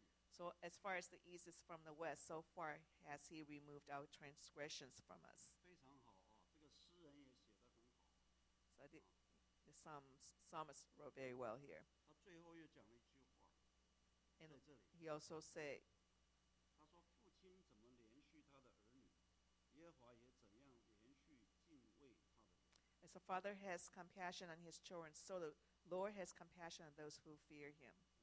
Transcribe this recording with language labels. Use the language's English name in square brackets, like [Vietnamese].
[English] So as far as the east is from the west, so far has he removed our transgressions from us. [Chinese] 非常好啊，这个诗人也写得很好。 [English] So the psalmist wrote very well here. [Chinese] 他最后又讲了一句话， [English] And he also said, [Chinese] 他说父亲怎么连续他的儿女，耶和华也怎样连续敬畏他的人。 [English] As a father has compassion on his children, so the Lord has compassion on those who fear him.